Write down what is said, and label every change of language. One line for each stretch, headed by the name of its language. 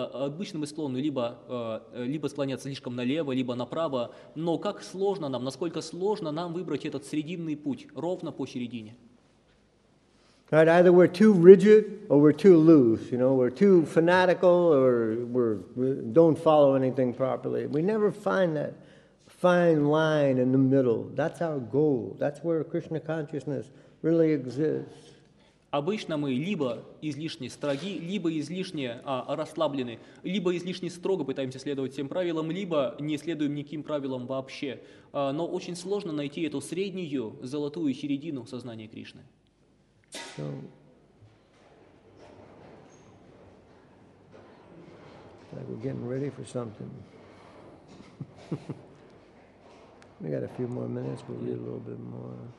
Russian: Обычно мы склонны либо склоняться слишком налево, либо направо, но как сложно нам, насколько сложно нам выбрать этот срединный путь, ровно посередине.
English: Right, either we're too rigid or we're too loose, you know, we're too fanatical or we don't follow anything properly. We never find that fine line in the middle. That's our goal. That's where Krishna consciousness really exists.
Russian: Обычно мы либо излишне строги, либо излишне расслаблены, либо излишне строго пытаемся следовать всем правилам, либо не следуем никаким правилам вообще. Но очень сложно найти эту среднюю золотую середину сознания Кришны.
English: So, like we're getting ready for something. We got a few more minutes, we'll read a little bit more.